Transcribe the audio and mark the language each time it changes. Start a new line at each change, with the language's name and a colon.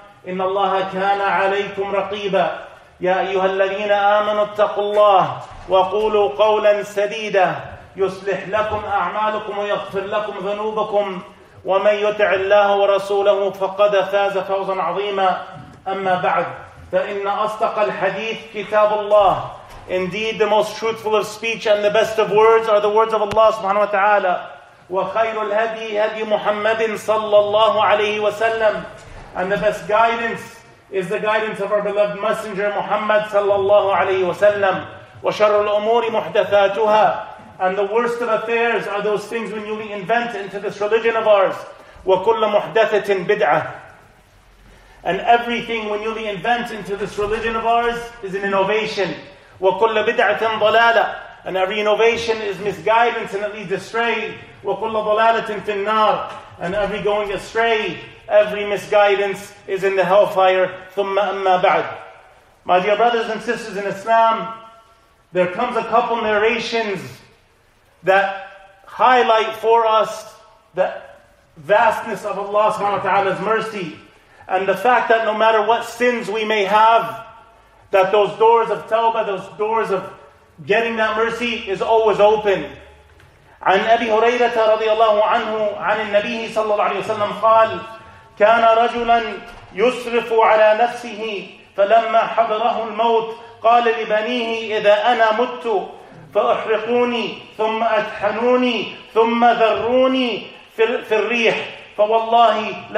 Arabic: إن الله كان عليكم رقيبا يا أيها الذين آمنوا اتقوا الله وقولوا قولا سديدا يصلح لكم أعمالكم ويغفر لكم ذنوبكم ومن يطع الله ورسوله فقد فاز فوزا عظيما أما بعد فإن أصدق الحديث كتاب الله
English: Indeed the most truthful of speech and the best of words are the words of Allah subhanahu wa ta'ala
Arabic: وخير الهدي هدي محمد صلى الله عليه وسلم
English: And the best guidance is the guidance of our beloved messenger Muhammad صلى الله عليه وسلم
Arabic: وشر الأمور محدثاتها
English: And the worst of affairs are those things when we invent into this religion of ours.
Arabic: وَكُلَّ مُحْدَثَةٍ بِدْعَةٍ
English: And everything when we invent into this religion of ours is an innovation.
Arabic: وَكُلَّ بِدْعَةٍ ضَلَالَةٍ
English: And every innovation is misguidance and it leads astray.
Arabic: وَكُلَّ ضَلَالَةٍ فِي النَّارِ
English: And every going astray, every misguidance is in the hellfire.
Arabic: ثُمَّ أَمَّا بَعْدٍ
English: My dear brothers and sisters in Islam, there comes a couple narrations that highlight for us the vastness of Allah subhanahu wa ta'ala's mercy and the fact that no matter what sins we may have, that those doors of tawbah, those doors of getting that mercy is always open.
Arabic: عن أبي هريرة رضي الله عنه عن النبي صلى الله عليه وسلم قال كان رجلا يصرف على نفسه فلما حضره الموت قال لبنيه إذا أنا مت فأحرقوني ثم أدحنوني ثم ذروني في الريح فوالله